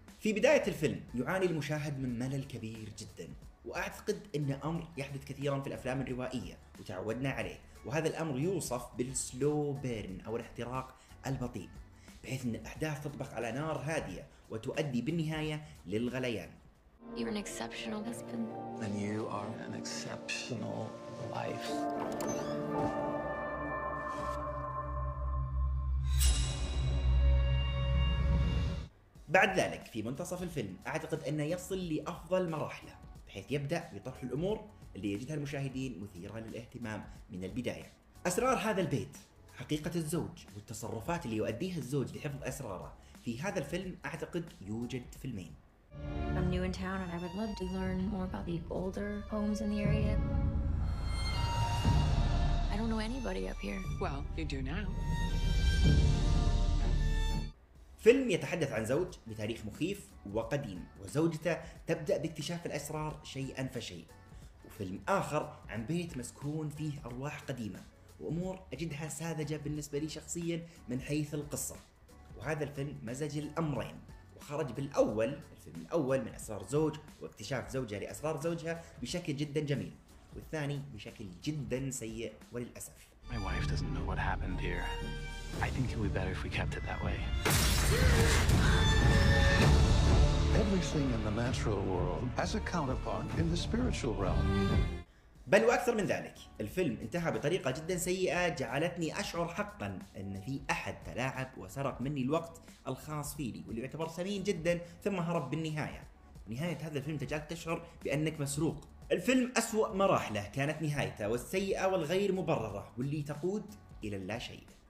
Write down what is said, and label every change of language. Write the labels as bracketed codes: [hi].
[ar] في بداية الفيلم يعاني المشاهد من ملل كبير جدا، وأعتقد أن أمر يحدث كثيرا في الأفلام الروائية وتعودنا عليه، وهذا الأمر يوصف بالسلو بيرن أو الاحتراق البطيء، بحيث أن الأحداث تطبخ على نار هادية وتؤدي بالنهاية للغليان. [en] You're an exceptional husband. Then you are an exceptional wife. [ar] بعد ذلك في منتصف الفيلم أعتقد أنه يصل لأفضل مراحله، بحيث يبدأ بطرح الأمور اللي يجدها المشاهدين مثيرة للاهتمام من البداية. أسرار هذا البيت، حقيقة الزوج والتصرفات اللي يؤديها الزوج لحفظ أسراره في هذا الفيلم أعتقد يوجد فيلمين. [en] I'm new in town and I would love to learn more about the older homes in the area. I don't know anybody up here. Well, you do now. [ar] فيلم يتحدث عن زوج بتاريخ مخيف وقديم، وزوجته تبدأ باكتشاف الأسرار شيئا فشيء، وفيلم آخر عن بيت مسكون فيه أرواح قديمة وأمور أجدها ساذجة بالنسبة لي شخصيا من حيث القصة. وهذا الفيلم مزج الأمرين وخرج بالأول، الفيلم الأول من أسرار زوج واكتشاف زوجها لأسرار زوجها بشكل جدا جميل، والثاني بشكل جدا سيء وللأسف. [en] My wife doesn't know what happened here. I think it would be better if we kept it that way. Everything in the natural world has a counterpart in the spiritual realm. [ar] بل وأكثر من ذلك، الفيلم انتهى بطريقة جدا سيئة جعلتني أشعر حقا أن في أحد تلاعب وسرق مني الوقت الخاص فيني واللي يعتبر ثمين جدا، ثم هرب بالنهاية. نهاية هذا الفيلم تجعلك تشعر بأنك مسروق. الفيلم أسوأ مراحله كانت نهايته والسيئة والغير مبررة واللي تقود إلى لا شيء.